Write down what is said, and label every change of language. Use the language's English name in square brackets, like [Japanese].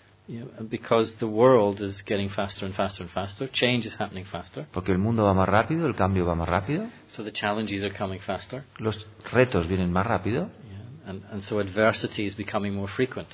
[English] Yeah, because the world is getting faster and faster and faster. Change is happening faster. [Spanish] Porque el mundo va más rápido, el cambio va más rápido. [English] So the challenges are coming faster. [Spanish] Los retos vienen más rápido. [English] Yeah, and so adversity is becoming more frequent.